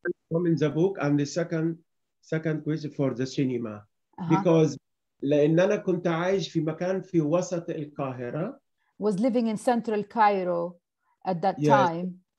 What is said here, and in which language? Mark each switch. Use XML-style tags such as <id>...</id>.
<en>From in the book and the second question for the cinema. Because</en> <ar>لأن أنا كنت عايش في مكان في وسط القاهرة.</ar> <en>Was living in central Cairo at that time.</en>